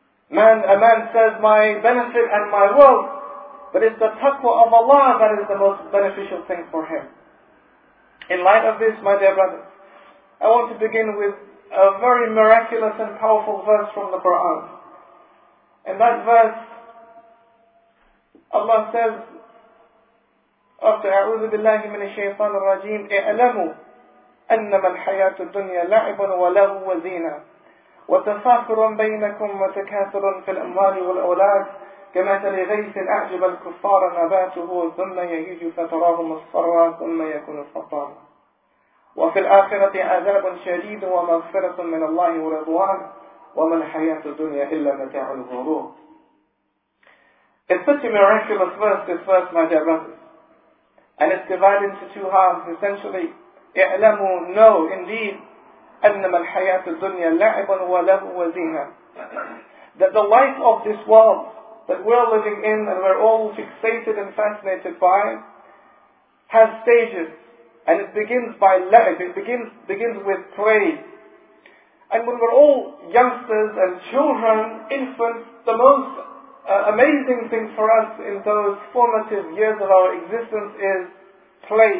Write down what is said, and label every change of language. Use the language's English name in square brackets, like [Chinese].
[English] A man says, my benefit and my wealth, but it's the taqwa of Allah that is the most beneficial thing for him. In light of this, my dear brothers, I want to begin with a very miraculous and powerful verse from the Quran. In that verse, Allah says, after [Arabic] أَعُوذُ بِاللَّهِ مِنَ الشَّيْطَانِ الرَّجِيمِ اعلموا أَنَّمَا الْحَيَاةُ الدُّنْيَا لَعِبٌ وَلَهُ وَزِينَةٌ وَتَفَاخُرٌ بَيْنَكُمْ وَتَكَاثُرٌ فِي الْأَمْوَالِ وَالْأَوْلَادِ كَمَثَلِ غَيْثٍ أَعْجَبَ الْكُفَّارَ نَبَاتُهُ ثُمَّ يَهِيجُ فَتَرَاهُ مُصْفَرًّا ثُمَّ يَكُونُ حُطَامًا وَفِي الْآخِرَةِ عَذَابٌ شَدِيدٌ وَمَغْفِرَةٌ مِنَ اللَّهِ وَرِضْوَانٌ وَمَا الْحَيَاةُ الدُّنْيَا إِلَّا مَتَاعُ الْغُرُورِ. [English] It's such a miraculous verse, this verse, my dear brothers. And it's divided into two halves, essentially. [Arabic] اِعْلَمُوا, [English] know indeed, [Arabic] أَنَّمَا الْحَيَاةُ الدُّنْيَا لَعِبٌ وَلَهُ وَزِينَةٌ. [English] That the life of this world that we're living in and we're all fixated and fascinated by has stages. And it begins by la'ib, it begins with play. And when we're all youngsters and children, infants, the most amazing thing for us in those formative years of our existence is play.